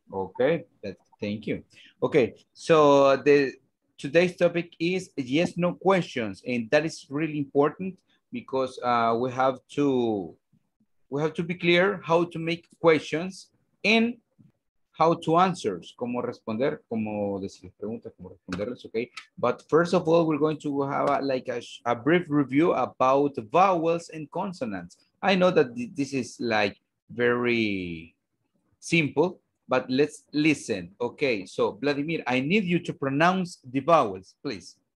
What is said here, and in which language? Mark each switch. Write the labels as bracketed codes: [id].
[en] Okay. Thank you. Okay. So the today's topic is yes, no questions. And that is really important because we have to be clear how to make questions and how to answer. [es] Cómo responder, cómo decir preguntas, cómo responderles, okay? [en] But first of all, we're going to have a brief review about vowels and consonants. I know that this is like very simple, but let's listen. Okay, so Vladimir, I need you to pronounce the vowels, please.